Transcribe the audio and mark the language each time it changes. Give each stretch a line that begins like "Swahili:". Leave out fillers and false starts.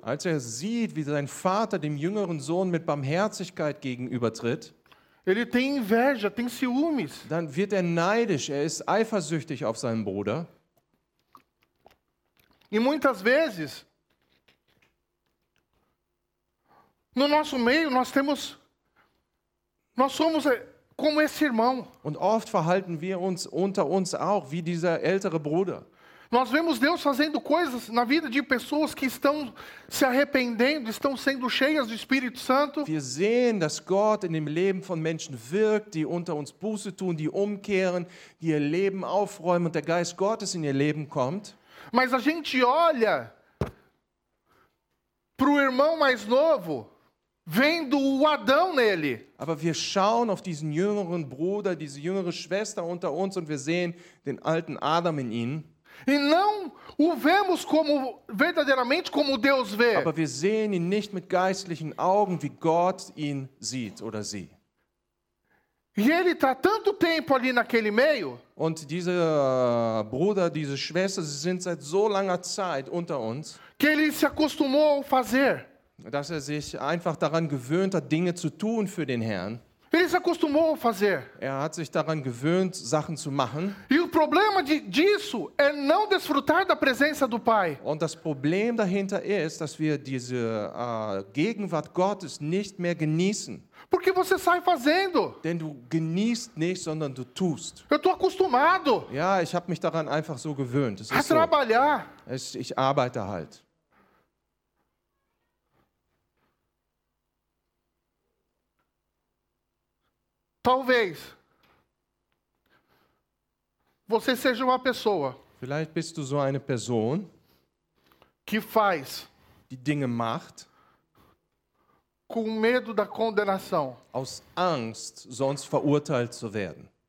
German: als sieht, wie sein Vater dem jüngeren Sohn mit Barmherzigkeit gegenübertritt,
Portuguese: ele tem inveja, tem ciúmes.
German: Dann wird neidisch, ist eifersüchtig auf seinen Bruder.
Portuguese: E muitas vezes, no nosso meio, nós somos como esse irmão.
German: Und oft verhalten wir uns unter uns auch wie dieser ältere Bruder.
Portuguese: Nós vemos Deus fazendo coisas na vida de pessoas que estão se arrependendo, estão sendo cheias do Espírito Santo.
German: Wir sehen, dass Gott in dem Leben von Menschen wirkt, die unter uns Buße tun, die umkehren, die ihr Leben aufräumen und der Geist Gottes in ihr Leben kommt.
Portuguese: Mas a gente olha pro irmão mais novo, vendo o Adão nele.
German: Aber wir schauen auf diesen jüngeren Bruder, diese jüngere Schwester unter uns und wir sehen den alten Adam in ihnen.
Portuguese: E não o vemos como verdadeiramente como Deus vê.
German: Aber wir sehen ihn nicht mit geistlichen Augen, wie Gott ihn sieht oder sie.
Portuguese: E ele está tanto tempo ali naquele meio.
German: Und diese Bruder, diese Schwester, sie sind seit so langer Zeit unter uns.
Portuguese: Que ele se acostumou a fazer.
German: Dass er sich einfach daran gewöhnt hat, Dinge zu tun für den Herrn.
Portuguese: Ele se acostumou a fazer.
German: Er hat sich daran gewöhnt, Sachen zu machen.
Portuguese: E o problema disso é não desfrutar da presença do Pai.
German: Und das Problem dahinter ist, dass wir diese Gegenwart Gottes nicht mehr genießen.
Portuguese: Porque você sai fazendo.
German: Denn du genießt nicht, sondern du tust.
Portuguese: Eu tô acostumado.
German: Ja, ich habe mich daran einfach so gewöhnt.
Portuguese: A trabalhar.
German: Ich arbeite halt.
Portuguese: Talvez você seja uma pessoa.
German: Vielleicht bist du so eine Person,
Portuguese: que faz,
German: die Dinge macht,
Portuguese: com medo da condenação.
German: Aus Angst, sonst verurteilt zu werden.